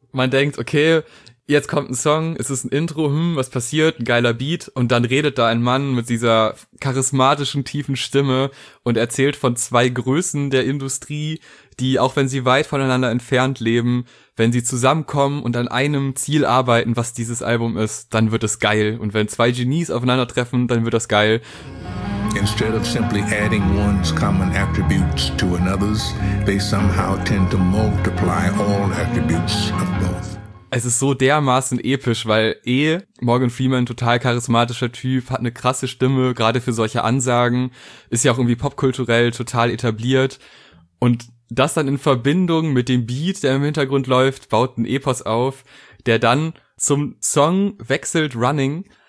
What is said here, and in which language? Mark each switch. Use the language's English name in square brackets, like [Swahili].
[German] Man denkt, okay, jetzt kommt ein Song, es ist ein Intro, was passiert, ein geiler Beat und dann redet da ein Mann mit dieser charismatischen, tiefen Stimme und erzählt von zwei Größen der Industrie, die, auch wenn sie weit voneinander entfernt leben, wenn sie zusammenkommen und an einem Ziel arbeiten, was dieses Album ist, dann wird es geil und wenn zwei Genies aufeinandertreffen, dann wird das geil. [English] Instead of simply adding one's common attributes to another's, they somehow tend to multiply all attributes of both. [German] Es ist so dermaßen episch, weil Morgan Freeman, total charismatischer Typ, hat eine krasse Stimme, gerade für solche Ansagen, ist ja auch irgendwie popkulturell total etabliert und das dann in Verbindung mit dem Beat, der im Hintergrund läuft, baut einen Epos auf, der dann zum Song wechselt Running.